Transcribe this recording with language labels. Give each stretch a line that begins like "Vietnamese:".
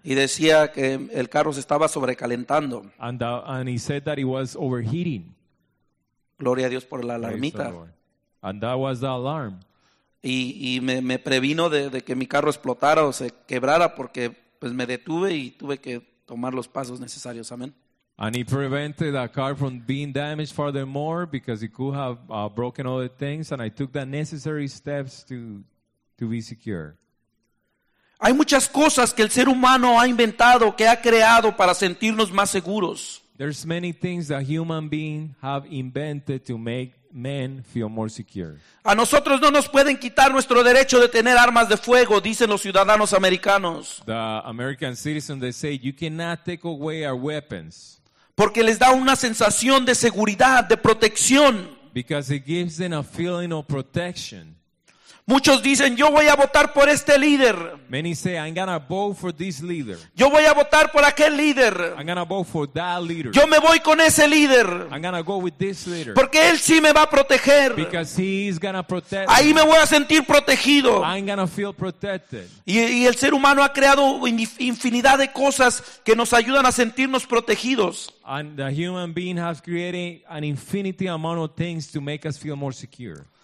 Spanish: Y decía que el carro se estaba sobrecalentando.
English: And he said that it was overheating.
Spanish: Gloria a Dios por la alarmita.
English: And that was the alarm.
Spanish: Y me previno de que mi carro explotara o se quebrara porque pues me detuve y tuve que tomar los pasos necesarios. Amén.
English: And he prevented a car from being damaged furthermore because it could have broken other things, and I took the necessary steps to be secure.
Spanish: Hay muchas cosas que el ser humano ha inventado, que ha creado para sentirnos más seguros.
English: There's many things that human beings have invented to make men feel more secure.
Spanish: A nosotros no nos pueden quitar nuestro derecho de tener armas de fuego, dicen los ciudadanos americanos.
English: The American citizens, they say, you cannot take away our weapons.
Spanish: Porque les da una sensación de seguridad, de protección.
English: Because it gives them a feeling of protection.
Spanish: Muchos dicen, yo voy a votar por este líder.
English: Many say, I'm gonna vote for this leader.
Spanish: Yo voy a votar por aquel líder.
English: I'm gonna vote for that leader.
Spanish: Yo me voy con ese líder.
English: I'm gonna go with this leader.
Spanish: Porque él sí me va a proteger.
English: Because he is gonna protect.
Spanish: Ahí me voy a sentir protegido.
English: I'm gonna feel protected.
Spanish: Y el ser humano ha creado infinidad de cosas que nos ayudan a sentirnos protegidos.
English: And the human being has created an infinity amount of things to make us feel more secure.